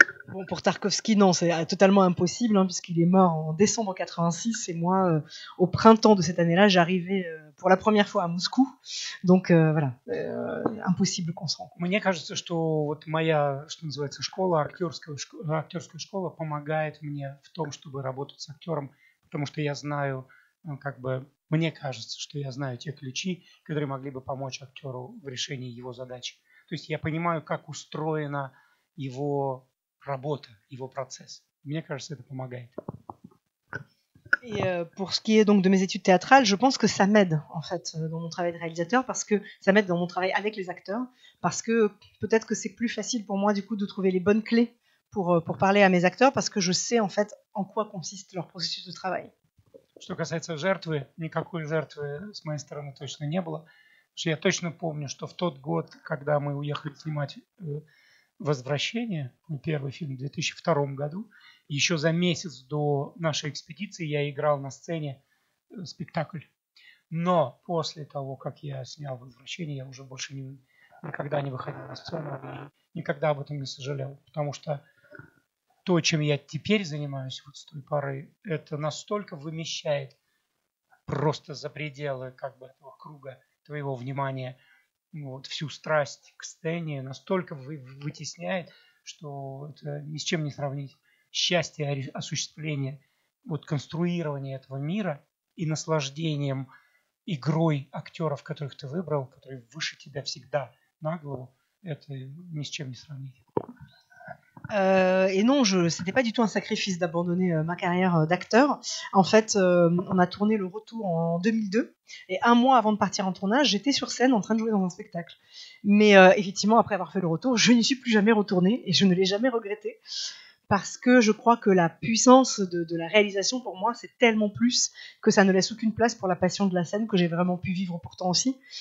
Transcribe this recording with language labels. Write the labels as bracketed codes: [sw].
[fr] Bon, pour Tarkovsky, non, c'est totalement impossible, hein, puisqu'il est mort en décembre 86, et moi, au printemps de cette année-là, j'arrivais pour la première fois à Moscou. Donc, voilà, impossible qu'on se rencontre. [ru] Мне кажется, что вот моя, что называется, школа, актерская школа, помогает мне в том, чтобы работать с актером, потому что я знаю, как бы, мне кажется, что я знаю те ключи, которые могли бы помочь актеру в решении его задач. То есть я понимаю, как устроена его... работа, его процесс. Мне кажется, это помогает. [fr] Et pour ce qui est donc de mes études théâtrales, je pense que ça m'aide en fait dans mon travail de réalisateur, parce que ça m'aide dans mon travail avec les acteurs, parce que peut-être que c'est plus facile pour moi du coup de trouver les bonnes clés pour parler à mes acteurs, parce que je sais en fait en quoi consiste leur processus de travail. [ru] Что касается жертвы, никакой жертвы с моей стороны точно не было. Я точно помню, что в тот год, когда мы уехали снимать «Возвращение», мой первый фильм в 2002 году. Еще за месяц до нашей экспедиции я играл на сцене спектакль. Но после того, как я снял «Возвращение», я уже больше никогда не выходил на сцену и никогда об этом не сожалел. Потому что то, чем я теперь занимаюсь вот с той поры, это настолько вымещает просто за пределы как бы этого круга твоего внимания, вот всю страсть к сцене настолько вытесняет, что это ни с чем не сравнить. Счастье осуществления, вот конструирование этого мира и наслаждением игрой актеров, которых ты выбрал, которые выше тебя всегда на голову, это ни с чем не сравнить. [fr] Et non, c'était pas du tout un sacrifice d'abandonner ma carrière d'acteur. En fait, on a tourné Le Retour en 2002, et un mois avant de partir en tournage, j'étais sur scène en train de jouer dans un spectacle. Mais effectivement, après avoir fait Le Retour, je n'y suis plus jamais retournée, et je ne l'ai jamais regretté, parce que je crois que la puissance de la réalisation, pour moi, c'est tellement plus que ça ne laisse aucune place pour la passion de la scène, que j'ai vraiment pu vivre pourtant aussi.